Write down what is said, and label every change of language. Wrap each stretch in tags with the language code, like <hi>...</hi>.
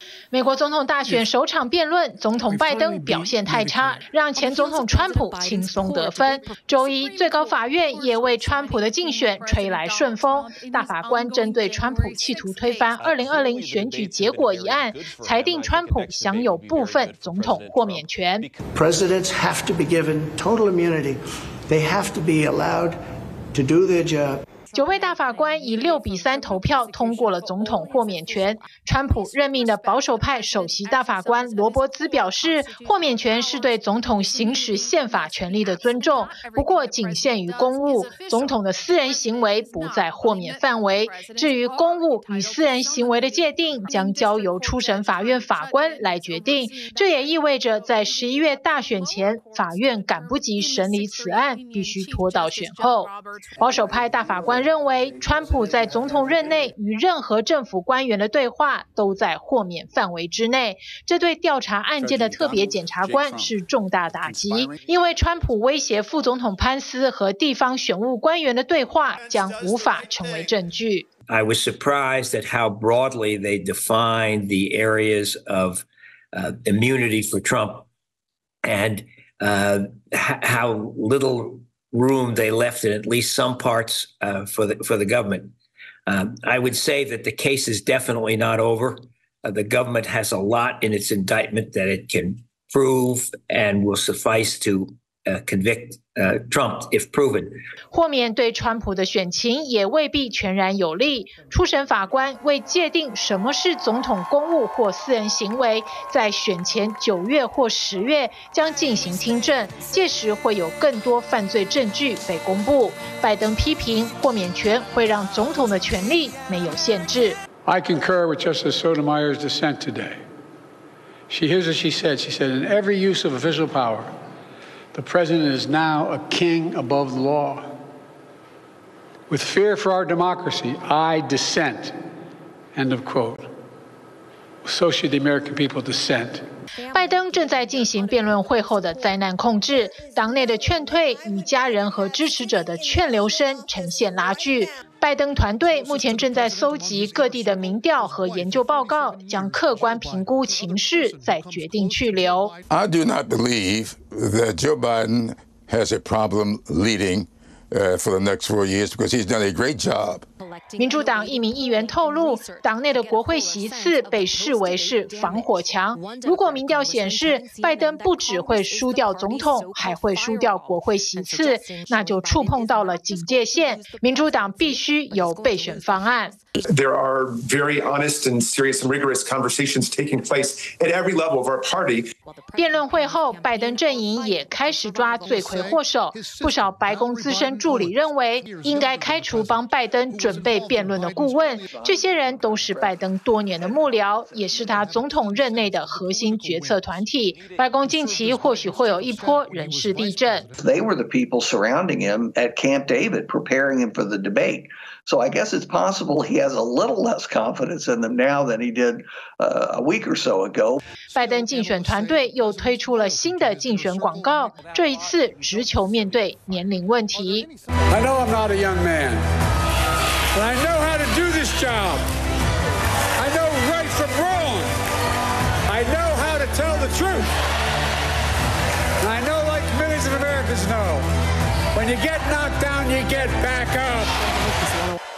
<zh>美国总统大选首场辩论，总统拜登表现太差，让前总统川普轻松得分。周一，最高法院也为川普的竞选吹来顺风。大法官针对川普企图推翻2020选举结果一案，裁定川普享有部分总统豁免权。</zh> <en>Presidents have to be given total immunity. They have to be allowed to do their job.</en> <zh>九位大法官以6-3投票通过了总统豁免权。川普任命的保守派首席大法官罗伯兹表示，豁免权是对总统行使宪法权力的尊重，不过仅限于公务，总统的私人行为不在豁免范围。至于公务与私人行为的界定，将交由初审法院法官来决定。这也意味着在11月大选前，法院赶不及审理此案，必须拖到选后。保守派大法官认为，川普在总统任内与任何政府官员的对话都在豁免范围之内，这对调查案件的特别检察官是重大打击，因为川普威胁副总统潘斯和地方选务官员的对话将无法成为证据。</zh> <en>I was surprised at how broadly they defined the areas of immunity for Trump and how little. Room they left in at least some parts for the government. I would say that the case is definitely not over. The government has a lot in its indictment that it can prove and will suffice to convict. Trump, if proven.</en> <zh>豁免对川普的选情也未必全然有利。初审法官为界定什么是总统公务或私人行为，在选前9月或10月将进行听证，届时会有更多犯罪证据被公布。拜登批评豁免权会让总统的权力没有限制。</zh> <en>I concur with Justice Sotomayor's dissent today. She hears what she said. She said, in every use of official power,The president is now a king above the law. With fear for our democracy, I dissent. End of quote. so should the American people dissent.</en> <zh>拜登正在进行辩论会后的灾难控制，党内的劝退与家人和支持者的劝留声呈现拉锯。拜登团队目前正在搜集各地的民调和研究报告，将客观评估情势，再决定去留。</zh> <en>I do not believe that Joe Biden has a problem leading for the next 4 years because he's done a great job.</en> <zh>民主党一名议员透露，党内的国会席次被视为是防火墙。如果民调显示拜登不只会输掉总统，还会输掉国会席次，那就触碰到了警戒线。民主党必须有备选方案。</zh> <en>There are very honest and serious and rigorous conversations taking place at every level of our party.</en> <zh>辩论会后，拜登阵营也开始抓罪魁祸首。不少白宫资深助理认为，应该开除帮拜登准备辩论的顾问，这些人都是拜登多年的幕僚，也是他总统任内的核心决策团体。白宫近期或许会有一波人事地震。</zh> <en>They were the people surrounding him at Camp David, preparing him for the debate. So I guess it's possible he has a little less confidence in them now than he did a week or so ago.</en> <zh>拜登竞选团队又推出了新的竞选广告，这一次直球面对年龄问题。</zh> <en>I know I'm not a young man. But I know how to do this job. I know right from wrong. I know how to tell the truth. And I know, like millions of Americans know, when you get knocked down, you get back up.</en>